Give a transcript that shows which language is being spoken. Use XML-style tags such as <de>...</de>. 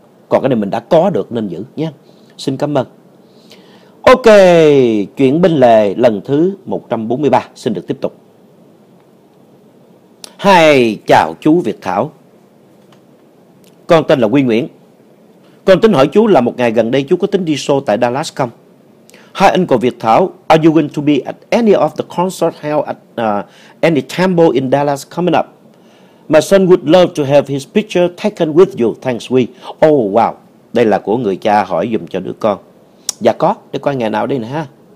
<vi>Còn cái này mình đã có được nên giữ nha. Xin cảm ơn. Ok, chuyện binh lề lần thứ 143 xin được tiếp tục. Hai, chào chú Việt Thảo. Con tên là Quy Nguyễn. Con tính hỏi chú là một ngày gần đây chú có tính đi show tại Dallas không? Hai anh của Việt Thảo,</vi> <en>are you going to be at any of the concert held at any temple in Dallas coming up? My son would love to have his picture taken with you. Thanks, Quy. Oh, wow.</en> <vi>Đây là của người cha hỏi dùm cho đứa con. Dạ có, để coi ngày nào đây nè ha.</vi>